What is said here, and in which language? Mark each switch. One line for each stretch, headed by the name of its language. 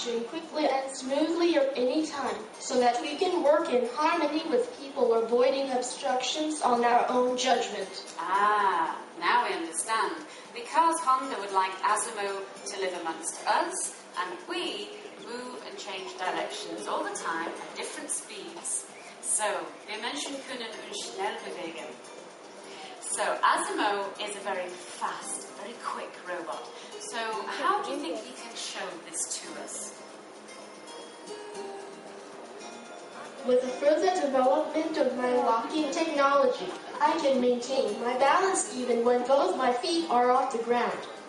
English: Quickly and smoothly at any time, so that we can work in harmony with people, avoiding obstructions on our own judgment. Ah, now we understand. Because Honda would like Asimo to live amongst us, and we move and change directions all the time at different speeds.
German: So, wir Menschen können uns schnell bewegen.
English: So, Asimo is a very fast, very quick robot. So, how do you think he can show this to us? With the further development of my walking technology, I can maintain my balance even when both my feet are off the ground.